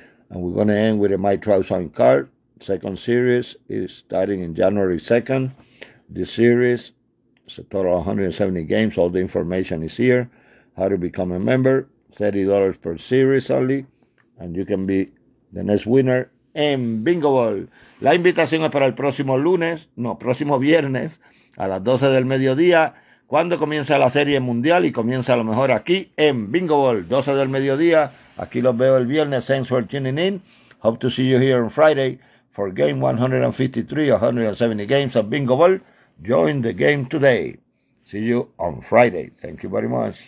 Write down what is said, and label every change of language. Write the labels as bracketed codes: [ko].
[en] And we're going to end with a Mike Trout signed card. Second series is starting in January 2nd. This series is a total of 170 games. All the information is here. How to become a member, $30 per series only. And you can be the next winner. En Bingo Ball. [es] La invitación es para el próximo lunes, no, próximo viernes, a las 12 del mediodía, cuando comienza la serie mundial y comienza a lo mejor aquí en Bingo Ball. 12 del mediodía, aquí los veo el viernes. [en] Thanks for tuning in. Hope to see you here on Friday for game 153, 170 games of Bingo Ball. Join the game today. See you on Friday. Thank you very much.